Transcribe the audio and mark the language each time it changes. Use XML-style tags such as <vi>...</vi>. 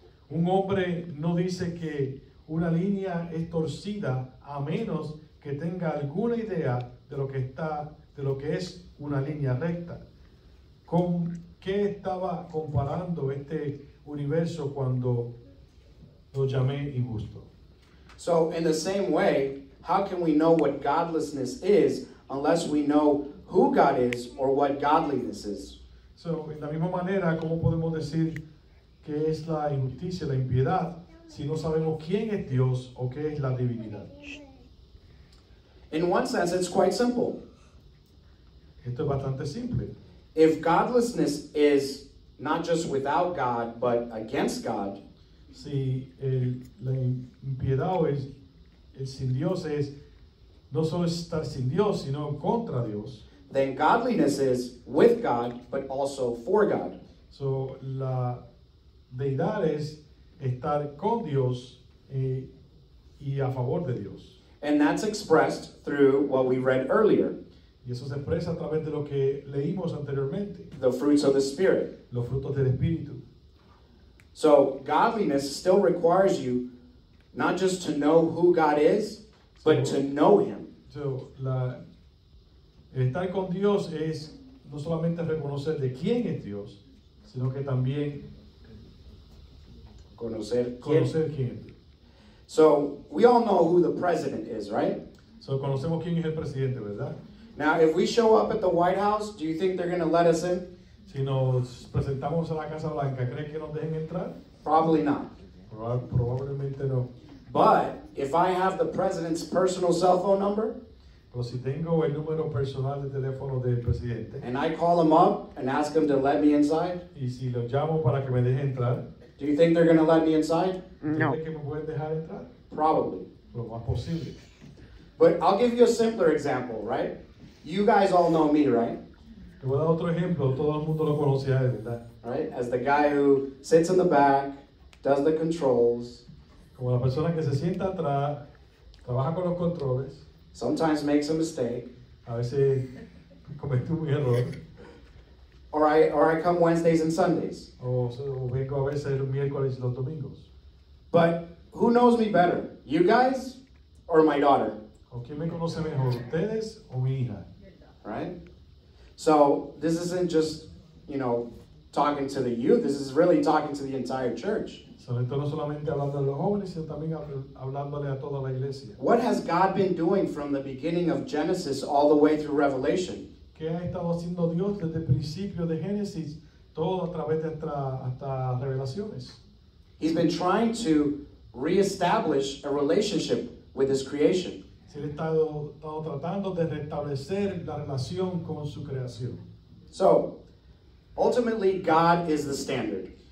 <es>Un hombre no dice que una línea es torcida a menos que tenga alguna idea de lo que es una línea recta. ¿Con qué estaba comparando este universo cuando lo llamé injusto?"</es> <en>So in the same way, how can we know what godlessness is unless we know who God is or what godliness is?</en> <es>So en la misma manera, ¿cómo podemos decir qué es la injusticia, la impiedad, si no sabemos quién es Dios o qué es la divinidad?</es> <en>In one sense, it's quite simple.</en> <es>Esto es bastante simple.</es> <en>If godlessness is not just without God, but against God,</en> <es>si la impiedad o el sin Dios es no solo estar sin Dios, sino contra Dios,</es> <en>then godliness is with God, but also for God.</en> <es>So la deidad es estar con Dios y a favor de Dios.</es> <en>And that's expressed through what we read earlier.</en> <es>Y eso se expresa a través de lo que leímos anteriormente.</es> <en>The fruits of the Spirit.</en> <es>Los frutos del Espíritu.</es> <en>So, godliness still requires you not just to know who God is, but to know Him.</en> <es>So, estar con Dios es no solamente reconocer de quién es Dios, sino que también conocer quién.</es> <en>So, we all know who the president is, right?</en> <es>So, conocemos quién es el presidente, ¿verdad?</es> <en>Now, if we show up at the White House, do you think they're going to let us in?</en> <es>Si nos presentamos a la Casa Blanca, ¿crees que nos dejen entrar?</es> <en>Probably not.</en> <es>Probablemente no.</es> <en>But, if I have the president's personal cell phone number,</en> <es>pero si tengo el número personal de teléfono del presidente,</es> <en>and I call him up and ask him to let me inside,</en> <es>y si lo llamo para que me deje entrar,</es> <en>do you think they're going to let me inside? No. Probably.</en> <es>Lo más posible.</es> <en>But I'll give you a simpler example, right? You guys all know me, right?</en> <es>Te voy a dar otro ejemplo. Todo el mundo lo conoce, ¿verdad?</es> <en>Right? As the guy who sits in the back, does the controls.</en> <es>Como la persona que se sienta atrás, trabaja con los controles.</es> <en>Sometimes makes a mistake.</en> <es>A veces comete un error.</es> <en>Or I come Wednesdays and Sundays.</en> <es>Oh, so vengo a veces los miércoles y los domingos.</es> <en>But who knows me better, you guys or my daughter?</en> <es>¿O quién me conoce mejor, ustedes o mi hija?</es> <en>Right? So this isn't just, you know, talking to the youth. This is really talking to the entire church.</en> <es>So esto no solamente hablando a los jóvenes, sino también hablándole a toda la iglesia.</es> <en>What has God been doing from the beginning of Genesis all the way through Revelation?</en> <es>¿Qué ha estado haciendo Dios desde el principio de Génesis, todo a través de hasta revelaciones?</es> <en>He's been trying to reestablish a relationship with his creation.</en> <es>Se ha estado tratando de restablecer la relación con su creación.</es> <en>So, ultimately, God is the standard.</en>